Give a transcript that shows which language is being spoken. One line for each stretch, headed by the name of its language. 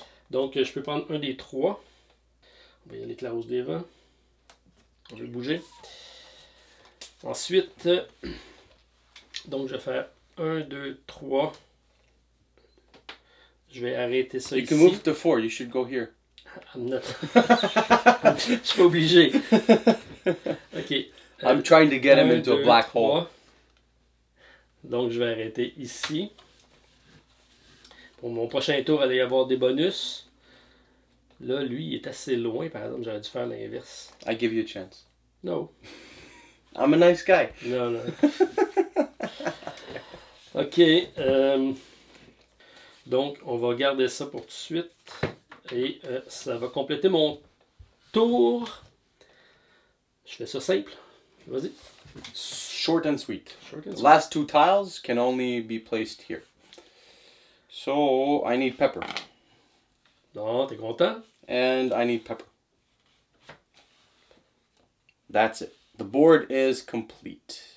French: Donc, je peux prendre un des 3. On va y aller avec la rose des vents. On va bouger. Ensuite, donc je vais faire 1, 2, 3. Je vais arrêter ça
English: you
French: ici.
English: You can move to 4, you should go here. I'm not.
French: Je suis obligé. Ok.
English: I'm trying to get him into a black hole.
French: Donc je vais arrêter ici. Pour mon prochain tour, il va y avoir des bonus. Là, lui, il est assez loin, par exemple, j'aurais dû faire l'inverse.
English: I give you a chance. No. I'm a nice guy.
French: Non, non. Ok. Donc, on va garder ça pour tout de suite. Et ça va compléter mon tour. Je fais ça simple. Vas-y.
English: Short and sweet. Last 2 tiles can only be placed here. So, I need pepper.
French: Non, t'es content?
English: And I need pepper. That's it. The board is complete.